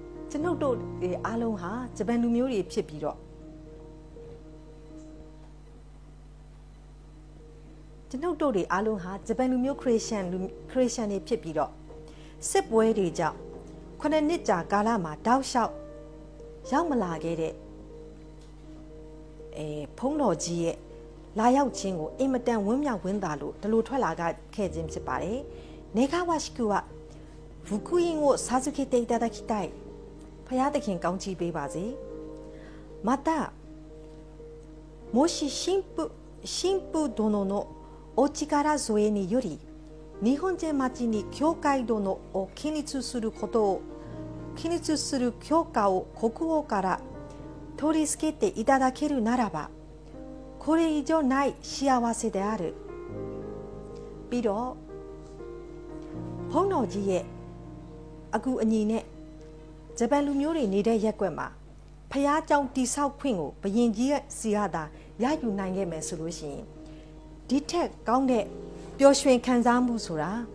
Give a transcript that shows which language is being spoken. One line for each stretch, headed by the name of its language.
Burmese: ကျွန်ုပ်တို့အားလုံးဟာဂျပန်လူမျိုးတွေဖြစ်ပြီးတော့ကျွန်ုပ်တို့တွေအားလုံးဟာဂျပန်လူမျိုးခရစ်ယာန်တွေဖြစ်ပြီးတော့စစ်ပွဲတွေကြောင့်ခုနှစ်နှစ်ကြာကာလမှာတောက်လျှောက်ရောက်မလာခဲ့တဲ့ဖုံးတော်ကြီးရဲ့လာရောက်ခြင်းကိုအင်မတန်ဝမ်းမြောက်ဝမ်းသာလို့ဒီလိုထွက်လာခဲ့ခြင်းဖြစ်ပါတယ်
Japanese: ネガワシクは福音を授けていただきたい。
Burmese: ဖယားသခင်ကောင်းချီးပေးပါစေ。
Japanese: また、もし神父殿のお力添えにより、日本人町に教会殿を建立することを、建立する許可を国王から取り付けていただけるならば、これ以上ない幸せである。
Burmese: ビロဖုံးတော်ကြီးရဲ့အခုအညီနဲ့ဂျပန်လူမျိုးတွေနေတဲ့ရက်ွက်မှာဖျားကြောင်တိဆောက်ခွင့်ကိုဘယင်ကြီးရဲ့စီရတာရယူနိုင်ခဲ့မယ်ဆိုလို့ရှိရင်ဒီထက်ကောင်းတဲ့ပျော်ရွှင်ခံစားမှုဆိုတာ